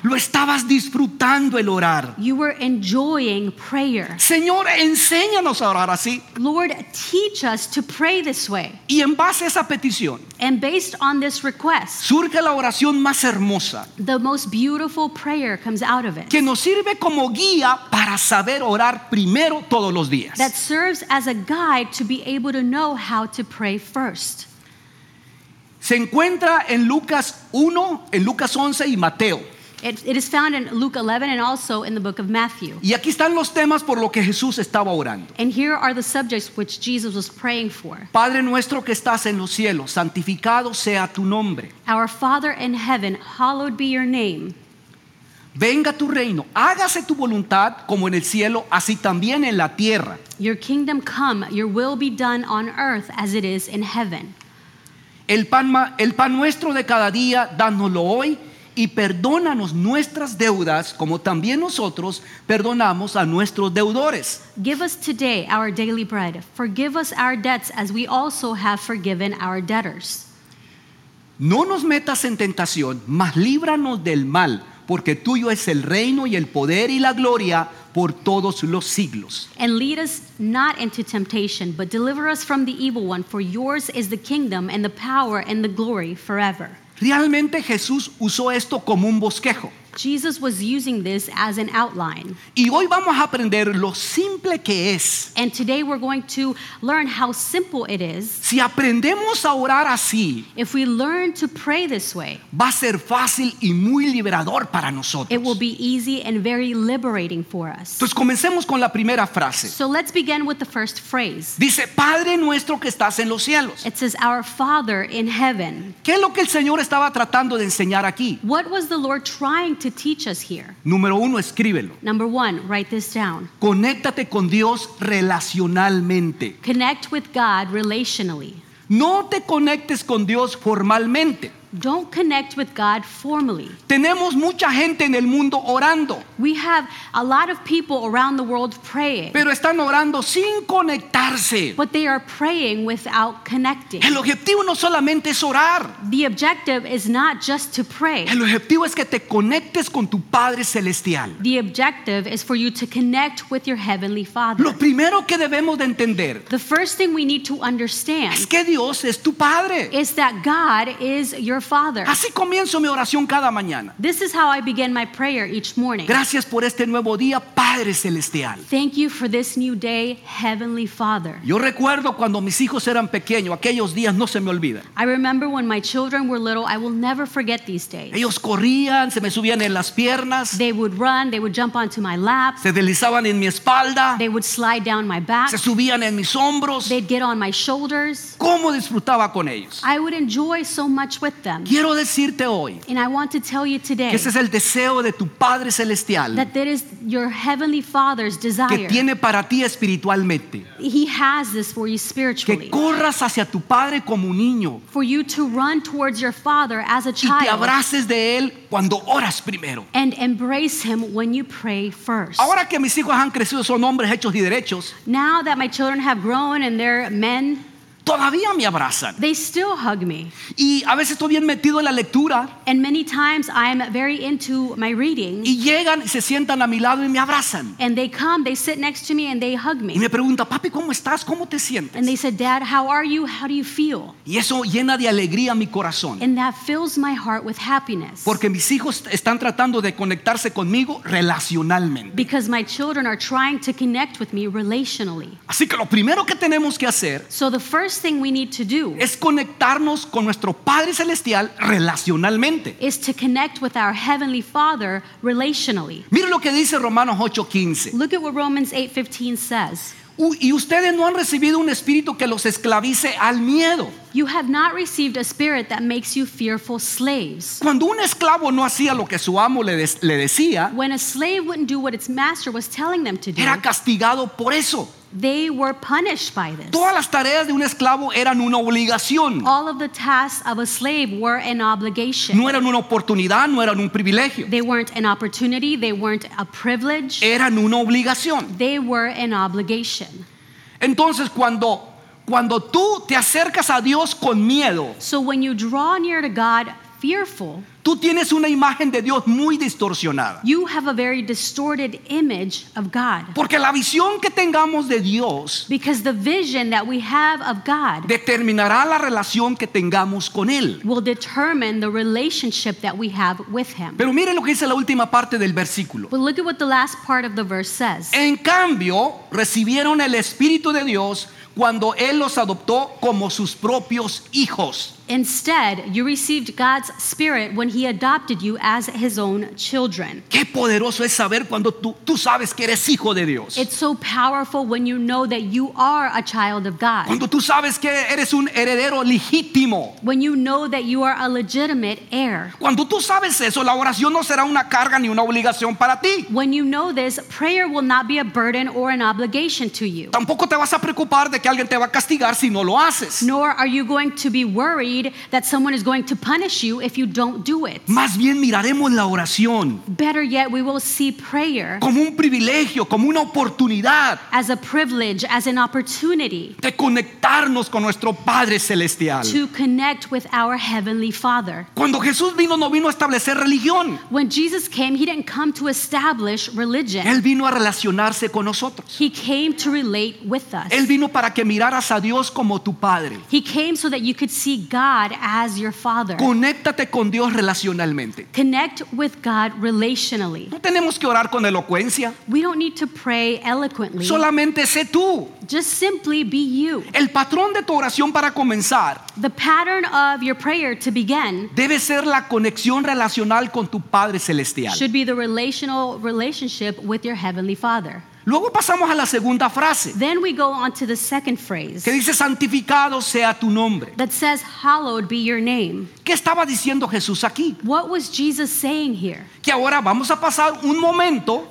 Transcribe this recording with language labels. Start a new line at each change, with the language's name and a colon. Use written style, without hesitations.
Spanish: Lo estabas disfrutando. disfrutando el orar.
English: You were enjoying prayer.
Spanish: Señor, enséñanos a orar así.
English: Lord, teach us to pray this way.
Spanish: Y en base a esa petición,
English: and based on this request,
Spanish: surge la oración más hermosa.
English: The most beautiful prayer comes out of it.
Spanish: Que nos sirve como guía para saber orar primero todos los días.
English: That serves as a guide to be able to know how to pray first.
Spanish: Se encuentra en Lucas 1, en Lucas 11 y Mateo.
English: It is found in Luke 11 and also in the book of Matthew.
Spanish: Y aquí están los temas por lo que Jesús estaba orando.
English: And here are the subjects which Jesus was praying for.
Spanish: Padre nuestro que estás en los cielos, santificado sea tu nombre.
English: Our Father in heaven, hallowed be your name.
Spanish: Venga tu reino, hágase tu voluntad como en el cielo, así también en la tierra.
English: Your kingdom come, your will be done on earth as it is in heaven.
Spanish: El pan nuestro de cada día, dánoslo hoy. Y perdónanos nuestras deudas, como también nosotros perdonamos a nuestros deudores.
English: Give us today our daily bread. Forgive us our debts as we also have forgiven our debtors.
Spanish: No nos metas en tentación, mas líbranos del mal, porque tuyo es el reino y el poder y la gloria por todos los siglos.
English: And lead us not into temptation, but deliver us from the evil one, for yours is the kingdom and the power and the glory forever.
Spanish: Realmente Jesús usó esto como un bosquejo.
English: Jesus was using this as an outline.
Spanish: Y hoy vamos a aprender lo simple que es.
English: And today we're going to learn how simple it is.
Spanish: Si aprendemos a orar así,
English: if we learn to pray this way,
Spanish: va a ser fácil y muy liberador para nosotros.
English: It will be easy and very liberating for us.
Spanish: Entonces comencemos con la primera frase.
English: So let's begin with the first phrase.
Spanish: Dice, Padre nuestro que estás en los cielos.
English: It says, our Father in heaven.
Spanish: ¿Qué es lo que el Señor estaba tratando de enseñar aquí?
English: What was the Lord trying to teach us here?
Spanish: Número uno, escríbelo.
English: Number one, write this down.
Spanish: Conéctate con Dios relacionalmente.
English: Connect with God relationally.
Spanish: No te conectes con Dios formalmente.
English: Don't connect with God formally.
Spanish: Tenemos mucha gente en el mundo orando.
English: We have a lot of people around the world praying.
Spanish: Pero están orando sin conectarse.
English: But they are praying without connecting.
Spanish: El objetivo no solamente es orar.
English: The objective is not just to pray.
Spanish: El objetivo es que te conectes con tu Padre Celestial.
English: The objective is for you to connect with your Heavenly Father.
Spanish: Lo primero que debemos de entender,
English: the first thing we need to understand,
Spanish: es que Dios es tu Padre.
English: Is that God is your Father.
Spanish: Así comienzo mi oración cada mañana.
English: This is how I begin my prayer each morning.
Spanish: Gracias por este nuevo día, Padre Celestial.
English: Thank you for this new day, Heavenly Father.
Spanish: Yo recuerdo cuando mis hijos eran pequeños, aquellos días no se me olvidan.
English: I remember when my children were little, I will never forget these days.
Spanish: Ellos corrían, se me subían en las piernas.
English: They would run, they would jump onto my lap.
Spanish: Se deslizaban en mi espalda.
English: They would slide down my back.
Spanish: Se subían en mis hombros.
English: They'd get on my shoulders.
Spanish: ¿Cómo disfrutaba con ellos?
English: I would enjoy so much with them.
Spanish: Quiero decirte hoy,
English: and I want to tell you today,
Spanish: que ese es el deseo de tu Padre Celestial,
English: that that is your Heavenly Father's desire,
Spanish: que tiene para ti espiritualmente.
English: He has this for you spiritually.
Spanish: Que corras hacia tu Padre como un niño,
English: for you to run towards your Father as a child,
Spanish: y te abraces de él cuando oras primero,
English: and embrace him when you pray first.
Spanish: Ahora que mis hijos han crecido, son hombres hechos y derechos.
English: Now that my children have grown and they're men,
Spanish: todavía me abrazan.
English: They still hug me.
Spanish: Y a veces estoy bien metido en la lectura.
English: And many times I'm very into my reading.
Spanish: Y llegan y se sientan a mi lado y me abrazan.
English: And they come, they sit next to me and they hug me.
Spanish: Y me pregunta, papi, ¿cómo estás? ¿Cómo te sientes?
English: And they said, Dad, how are you? How do you feel?
Spanish: Y eso llena de alegría mi corazón.
English: And that fills my heart with happiness.
Spanish: Porque mis hijos están tratando de conectarse conmigo relacionalmente.
English: Because my children are trying to connect with me relationally.
Spanish: Así que lo primero que tenemos que hacer,
English: so the first thing we need to do,
Spanish: es conectarnos con nuestro Padre Celestial relacionalmente,
English: is to connect with our Heavenly Father relationally.
Spanish: Mira lo que dice Romanos 8:15.
English: Look at what Romans 8:15 says.
Spanish: Y ustedes no han recibido un espíritu que los esclavice al miedo.
English: You have not received a spirit that makes you fearful slaves.
Spanish: Cuando un esclavo no hacía lo que su amo le decía,
English: when a slave wouldn't do what its master was telling them to do,
Spanish: era castigado por eso.
English: They were punished by this.
Spanish: Todas las tareas de un esclavo eran una obligación.
English: All of the tasks of a slave were an obligation.
Spanish: No eran una oportunidad, no eran un privilegio.
English: They weren't an opportunity, they weren't a privilege.
Spanish: Eran una obligación.
English: They were an obligation.
Spanish: Entonces, cuando tú te acercas a Dios con miedo,
English: so when you draw near to God fearful,
Spanish: Tú tienes una imagen de Dios muy distorsionada.
English: You have a very distorted image of God.
Spanish: Porque la visión que tengamos de Dios,
English: because the vision that we have of God,
Spanish: determinará la relación que tengamos con Él,
English: will determine the relationship that we have with Him.
Spanish: Pero mire lo que dice la última parte del versículo.
English: But look at what the last part of the verse says.
Spanish: En cambio, recibieron el Espíritu de Dios cuando Él los adoptó como sus propios hijos.
English: Instead, you received God's Spirit when He adopted you as His own children.
Spanish: Qué poderoso es saber cuando tú sabes que eres hijo de Dios.
English: It's so powerful when you know that you are a child of God.
Spanish: Cuando tú sabes que eres un heredero legítimo.
English: When you know that you are a legitimate heir.
Spanish: Cuando tú sabes eso, la oración no será una carga ni una obligación para ti.
English: When you know this, prayer will not be a burden or an obligation to you.
Spanish: Tampoco te vas a preocupar de que alguien te va a castigar si no lo haces.
English: Nor are you going to be worried that someone is going to punish you if you don't do it.
Spanish: Más bien miraremos la oración.
English: Better yet, we will see prayer
Spanish: como un privilegio, como una oportunidad.
English: As a privilege, as an opportunity.
Spanish: De conectarnos con nuestro Padre Celestial.
English: To connect with our Heavenly Father.
Spanish: Cuando Jesús vino, no vino a establecer religión.
English: When Jesus came, He didn't come to establish religion.
Spanish: Él vino a relacionarse con nosotros.
English: He came to relate with us.
Spanish: Él vino para que miraras a Dios como tu Padre.
English: He came so that you could see God as your Father.
Spanish: Conéctate con Dios relacionalmente.
English: Connect with God relationally.
Spanish: No tenemos que orar con elocuencia.
English: We don't need to pray eloquently.
Spanish: Solamente sé tú.
English: Just simply be you.
Spanish: El patrón de tu oración para comenzar,
English: the pattern of your prayer to begin,
Spanish: debe ser la conexión relacional con tu Padre Celestial.
English: Should be the relational relationship with your Heavenly Father.
Spanish: Luego pasamos a la segunda frase.
English: Then we go on to the second phrase.
Spanish: Que dice, santificado sea tu nombre.
English: That says, hallowed be your name.
Spanish: ¿Qué estaba diciendo Jesús aquí?
English: What was Jesus saying here?
Spanish: Que ahora vamos a pasar un momento.